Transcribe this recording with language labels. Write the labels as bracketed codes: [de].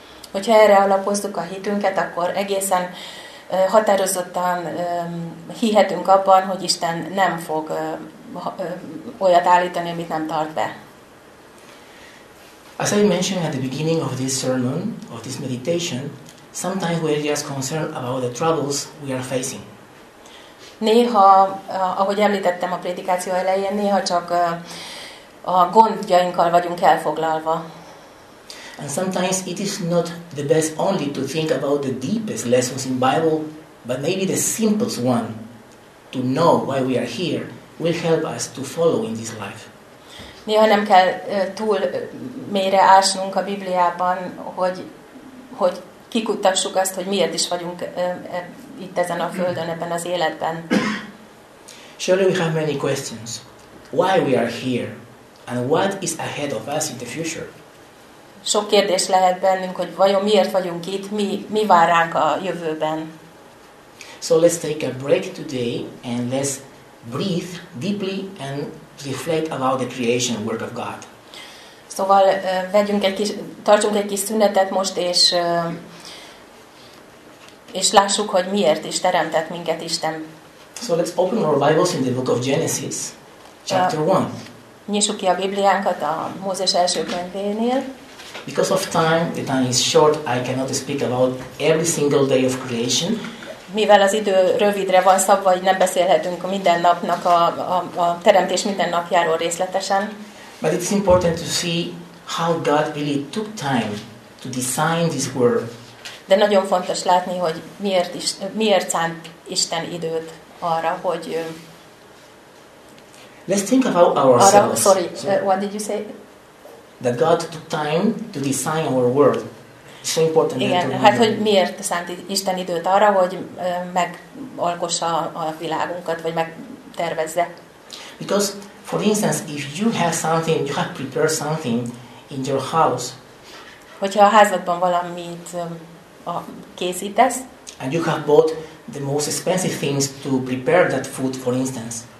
[hu] Hogyha erre alapozzuk a hitünket, akkor egészen határozottan hihetünk abban, hogy Isten nem fog olyat állítani, amit nem tart be. [en] As I mentioned at the beginning of this sermon, of this meditation, sometimes we are just concerned about the troubles we are facing. [hu] Néha, ahogy említettem a prédikáció elején, néha csak a gondjainkkal vagyunk elfoglalva. [en] And sometimes it is not the best only to think about the deepest lessons in Bible, but maybe the simplest one, to know why we are here, will help us to follow in this life. [hu] Néha nem kell túl mélyre ásnunk a Bibliában, hogy kikutassuk azt, hogy miért is vagyunk itt ezen a földön, ebben az életben. [en] Surely we have many questions. Why we are here? And what is ahead of us in the future? [hu] Sok kérdés lehet bennünk, hogy vajon miért vagyunk itt, mi vár ránk a jövőben. [en] So let's take a break today and let's breathe deeply and reflect about the creation work of God. [hu] Szóval tartsunk egy kis szünetet most, és lássuk, hogy miért is teremtett minket Isten. [en] So let's open our Bibles in the book of Genesis, chapter 1. [hu] Nyissuk ki a Bibliánkat a Mózes első könyvénél. [en] Because of time, the time is short, I cannot speak about every single day of creation. [hu] Mivel az idő rövidre van szabva, így nem beszélhetünk minden napnak a teremtés minden napjáról részletesen. [en] But it's important to see how God really took time to design this world. [hu] De nagyon fontos látni, hogy miért szánt Isten időt arra, hogy [en] let's think about ourselves. What did you say? That God took time to design our world. So important. [hu] Igen, hát hogy miért szánt Isten időt arra, hogy megalkossa a világunkat, vagy megtervezze? [en] Because, for instance, if you have something, you have prepared something in your house. [hu] Hogyha a házadban valamit készítesz. [en] And you have bought the most expensive things to prepare that food, for instance.